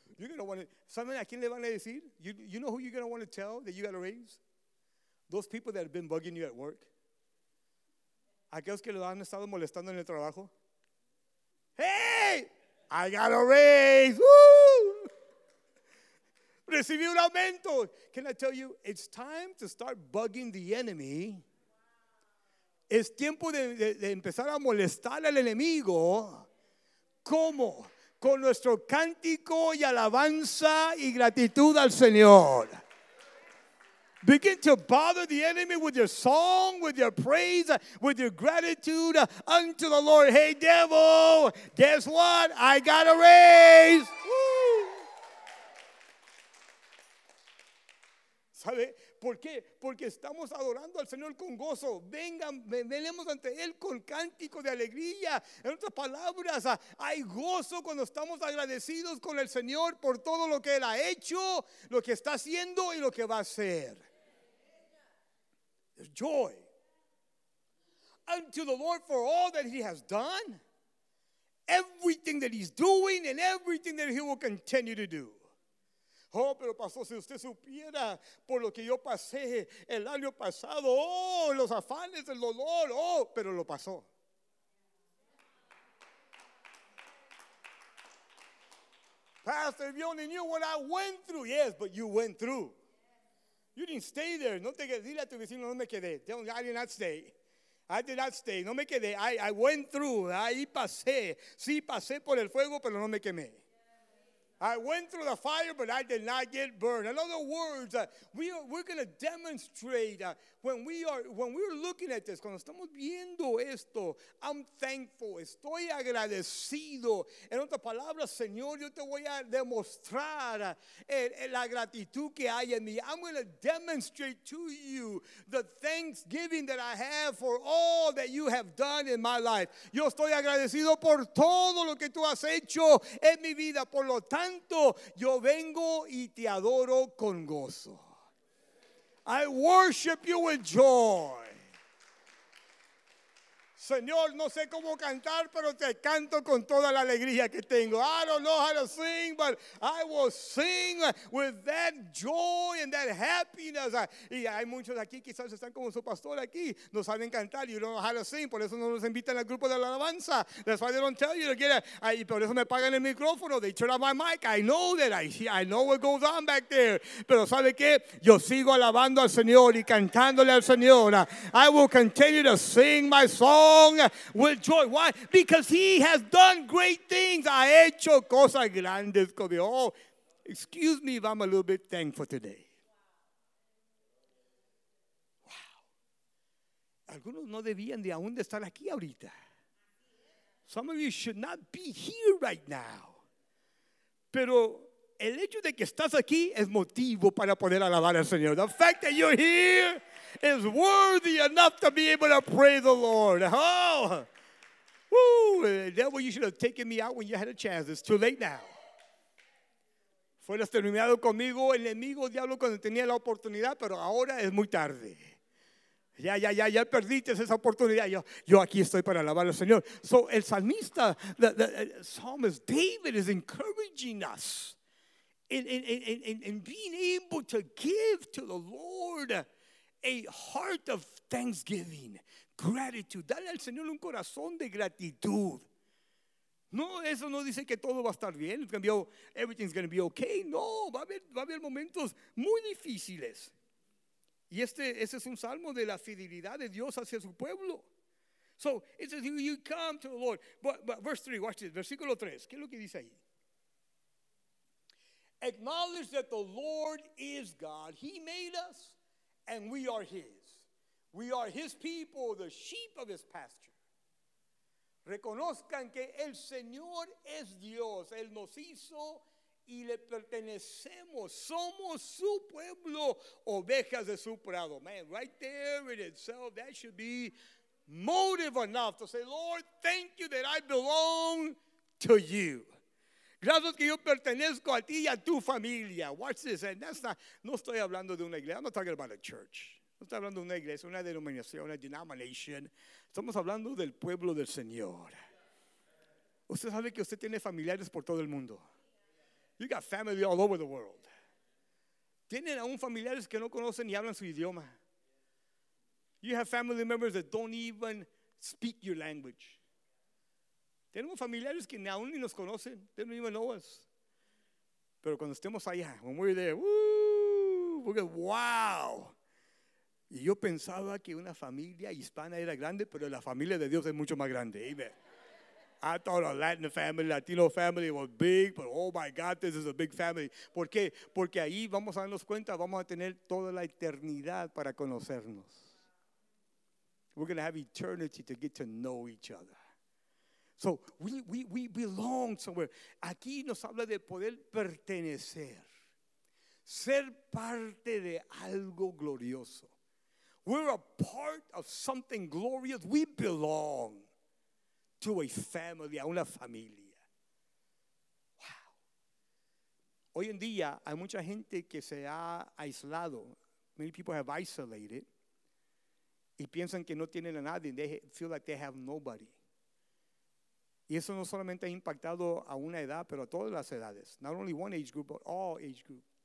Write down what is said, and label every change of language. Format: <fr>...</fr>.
<en>You're going to want to,</en> <es>¿saben a quién le van a decir?</es> <en>You know who you're going to want to tell that you got a raise? Those people that have been bugging you at work.</en> <es>Aquellos que lo han estado molestando en el trabajo.</es> <en>Hey, I got a raise. Woo!</en> <es>Recibí un aumento.</es> <en>Can I tell you, it's time to start bugging the enemy.</en> <es>Es tiempo de empezar a molestar al enemigo. ¿Cómo? Con nuestro cántico y alabanza y gratitud al Señor.</es> <en>Begin to bother the enemy with your song, with your praise, with your gratitude unto the Lord. Hey, devil, guess what? I got a raise.</en> <es>¿Sabe? ¿Por qué? Porque estamos adorando al Señor con gozo. Vengan, venemos ante Él con cántico de alegría. En otras palabras, hay gozo cuando estamos agradecidos con el Señor por todo lo que Él ha hecho, lo que está haciendo y lo que va a hacer.</es> <en>There's joy. Unto the Lord for all that He has done, everything that He's doing and everything that He will continue to do.</en> <es>Oh, pero pastor, si usted supiera por lo que yo pasé el año pasado, oh, los afanes, el dolor, oh, pero lo pasó.</es> <en>Pastor, if you only knew what I went through, yes, but you went through. You didn't stay there.</en> <es>No te quedes, dile a tu vecino, no me quedé.</es> <en>I did not stay.</en> <es>No me quedé.</es> <en>I went through.</en> <es>Ahí pasé. Sí, pasé por el fuego, pero no me quemé.</es> <en>I went through the fire, but I did not get burned. In other words, we're going to demonstrate when we're looking at this.</en> <es>Cuando estamos viendo esto,</es> <en>I'm thankful.</en> <es>Estoy agradecido. En otras palabras, Señor, yo te voy a demostrar la gratitud que hay en mí.</es> <en>I'm going to demonstrate to you the thanksgiving that I have for all that you have done in my life.</en> <es>Yo estoy agradecido por todo lo que tú has hecho en mi vida. Por lo tanto, yo vengo y te adoro con gozo.</es> <en>I worship you with joy.</en> <es>Señor, no sé cómo cantar, pero te canto con toda la alegría que tengo.</es> <en>I don't know how to sing, but I will sing with that joy and that happiness.</en> <es>Y hay muchos aquí, quizás están como su pastor aquí, no saben cantar,</es> <en>you don't know how to sing,</en> <es>por eso no nos invitan al grupo de la alabanza.</es> <en>That's why they don't tell you to get it.</en> <es>Por eso me pagan el micrófono,</es> <en>they turn on my mic. I know that, I know what goes on back there.</en> <es>Pero ¿sabe qué? Yo sigo alabando al Señor y cantándole al Señor.</es> <en>I will continue to sing my song with joy. Why? Because he has done great things.</en> <es>Ha hecho cosas grandes.</es> <en>Oh, excuse me if I'm a little bit thankful today. Wow.</en> <es>Algunos no debían de aún de estar aquí ahorita.</es> <en>Some of you should not be here right now.</en> <es>Pero el hecho de que estás aquí es motivo para poder alabar al Señor.</es> <en>The fact that you're here is worthy enough to be able to praise the Lord. Oh, woo. Devil, you should have taken me out when you had a chance. It's too late now.</en> <es>Fueras terminado conmigo, enemigo, diablo, cuando tenía la oportunidad, pero ahora es muy tarde. Ya perdiste esa oportunidad. Yo aquí estoy para alabar al Señor.</es> <en>So,</en> <es>el salmista,</es> <en>the psalmist David is encouraging us in being able to give to the Lord a heart of thanksgiving, gratitude.</en> <es>Dale al Señor un corazón de gratitud. No, eso no dice que todo va a estar bien.</es> <en>Everything's going to be okay.</en> <es>No, va a haber momentos muy difíciles. Y este es un salmo de la fidelidad de Dios hacia su pueblo.</es> <en>So, it says, you come to the Lord. But verse 3, watch this.</en> <es>Versículo 3, ¿qué es lo que dice ahí?</es> <en>Acknowledge that the Lord is God. He made us. And we are his. We are his people, the sheep of his pasture.</en> <es>Reconozcan que el Señor es Dios. Él nos hizo y le pertenecemos. Somos su pueblo, ovejas de su prado.</es> <en>Man, right there in itself, that should be motive enough to say, Lord, thank you that I belong to you.</en> <es>Gracias que yo pertenezco a ti y a tu familia.</es> <en>Watch this. And that's not,</en> <es>no estoy hablando de una iglesia.</es> <en>I'm not talking about a church.</en> <es>No estoy hablando de una iglesia, una denominación, una denomination. Estamos hablando del pueblo del Señor. Usted sabe que usted tiene familiares por todo el mundo.</es> <en>You got family all over the world.</en> <es>Tienen aún familiares que no conocen ni hablan su idioma.</es> <en>You have family members that don't even speak your language.</en> <es>Tenemos familiares que ni aún ni nos conocen.</es> <en>They don't even know us.</en> <es>Pero cuando estemos allá,</es> <en>when we're there, woo, we're going, wow.</en> <es>Y yo pensaba que una familia hispana era grande, pero la familia de Dios es mucho más grande.</es> <en>Amen. I thought a Latin family, Latino family was big, but oh my God, this is a big family.</en> <es>¿Por qué? Porque ahí vamos a darnos cuenta, vamos a tener toda la eternidad para conocernos.</es> <en>We're going to have eternity to get to know each other. So we belong somewhere.</en> <es>Aquí nos habla de poder pertenecer. Ser parte de algo glorioso.</es> <en>We're a part of something glorious. We belong to a family,</en> <es>a una familia.</es> <en>Wow.</en> <es>Hoy en día hay mucha gente que se ha aislado.</es> <en>Many people have isolated.</en> <es>Y piensan que no tienen a nadie.</es> <en>They feel like they have nobody.</en> <es>Y eso no solamente ha impactado a una edad, pero a todas las edades.</es> <en>Not only one age group, but all age group.</en>